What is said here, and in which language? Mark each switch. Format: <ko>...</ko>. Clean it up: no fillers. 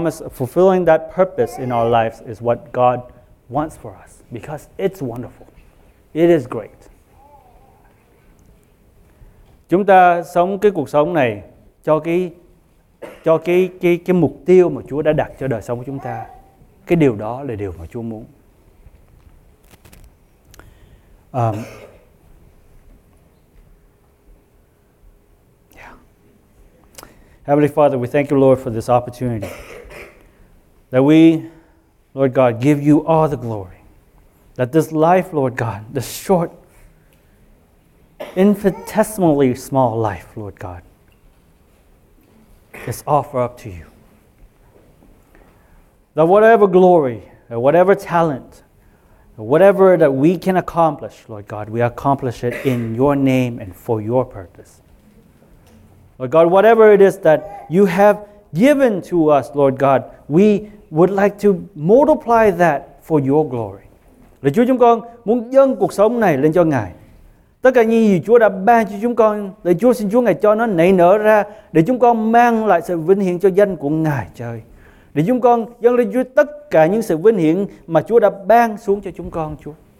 <en>Fulfilling that purpose in our lives is what God wants for us, because it's wonderful. It is great.</en> <vi>Chúng ta sống cái cuộc sống này cho cái mục tiêu mà Chúa đã đặt cho đời sống của chúng ta. Cái điều đó là điều mà Chúa muốn.</vi> <en>Heavenly Father, we thank you, Lord, for this opportunity that we, Lord God, give you all the glory. That this life, Lord God, this short infinitesimally small life, Lord God, is offered up to you. That whatever glory, or whatever talent, or whatever that we can accomplish, Lord God, we accomplish it in your name and for your purpose. Lord God, whatever it is that you have given to us, Lord God, we would like to multiply that for your glory.</en> <vi>Là Chúa chúng con muốn dâng cuộc sống này lên cho Ngài. Tất cả những gì Chúa đã ban cho chúng con, để Chúa xin Chúa Ngài cho nó nảy nở ra, để chúng con mang lại sự vinh hiển cho danh của Ngài trời. Để chúng con dâng lên Chúa tất cả những sự vinh hiển mà Chúa đã ban xuống cho chúng con, Chúa.</vi>